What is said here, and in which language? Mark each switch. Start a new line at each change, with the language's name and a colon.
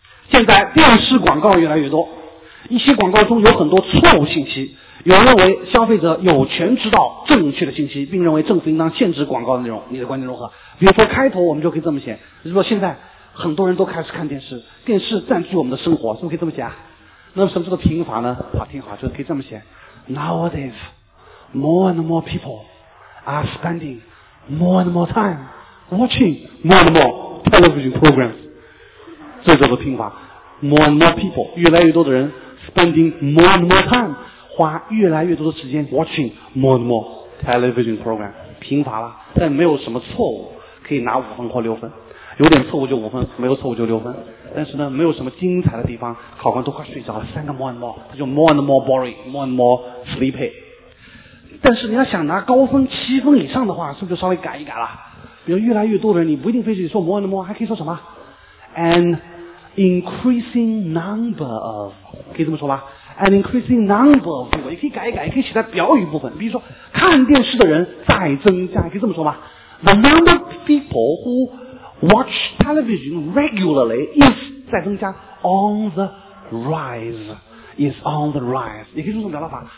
Chinese: 现在电视广告越来越多，一些广告中有很多错误信息，有人认为消费者有权知道正确的信息，并认为政府应当限制广告的内容，你的观点如何？比如说开头我们就可以这么写，如果现在很多人都开始看电视，电视占据我们的生活，是不是可以这么写啊？那么什么叫做贫乏呢？好，挺好，就是可以这么写。
English: Nowadays, more and more people are spending more and more time watching more and more television programs.
Chinese: 这叫做贫乏。
English: More and more people,
Chinese: 越来越多的人
English: spending more and more time,
Chinese: 花越来越多的时间
English: watching more and more television programs.
Chinese: 贫乏了，但没有什么错误，可以拿五分或六分。有点错误就五分，没有错误就六分。但是呢没有什么精彩的地方，考官都快睡着了，三个
English: more and more，
Chinese: 他就
English: more and more boring， more and more sleepy。
Chinese: 但是你要想拿高分七分以上的话，是不是就稍微改一改了？比如越来越多的人，你不一定非得说
English: more and more，
Chinese: 还可以说什么
English: an increasing number of，
Chinese: 可以这么说吧， an increasing number of， 也可以改一改，也可以写在表语部分，比如说看电视的人再增加，可以这么说吧，
English: the number of people whowatch television regularly is
Chinese: 在增加
English: on the rise，
Chinese: 也可以用这种表达法。